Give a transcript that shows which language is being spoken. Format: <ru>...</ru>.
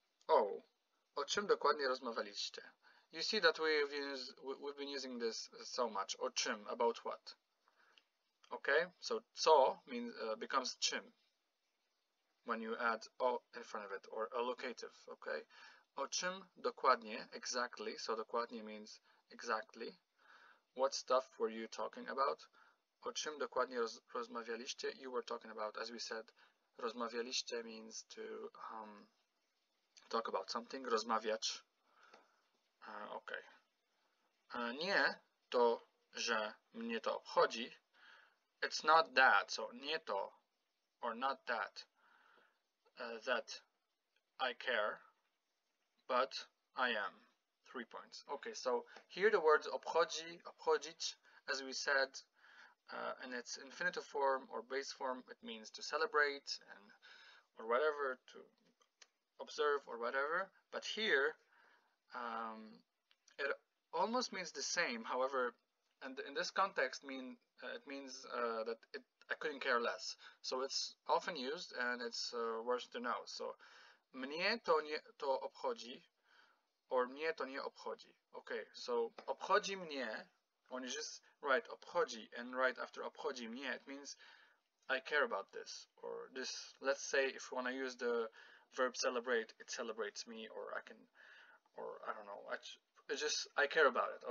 <pl>Oh, o czym dokładnie rozmawialiście?</pl> <en>You see that we've been using this so much.</en> <pl>O czym,</pl> <en>about what? Okay, so co means becomes czym when you add o in front of it, or allocative, okay? O czym dokładnie, exactly, so dokładnie means exactly. What stuff were you talking about?</en> <pl>O czym dokładnie rozmawialiście?</pl> <en>You were talking about, as we said, rozmawialiście means to talk about something, rozmawiać. Okay.</en> <pl>Nie to, że mnie to obchodzi.</pl> <en>It's not that, so nie to, or not that, that I care, but I am. 3 points. Okay, so here the words obchodzi, obchodzić, as we said, in its infinitive form or base form, it means to celebrate and or whatever, to observe or whatever. But here, it almost means the same, however, and in this context mean it means that it, I couldn't care less. So it's often used and it's worth to know.</en> <pl>So mnie to nie to obchodzi, or mnie to nie obchodzi.</pl> <en>Okay, so obchodzi mnie, when you just write obchodzi and write after obchodzi mnie, it means I care about this, or this, let's say if you want to use the verb celebrate, it celebrates me, or I can, or I don't know, it's just I care about it.</en>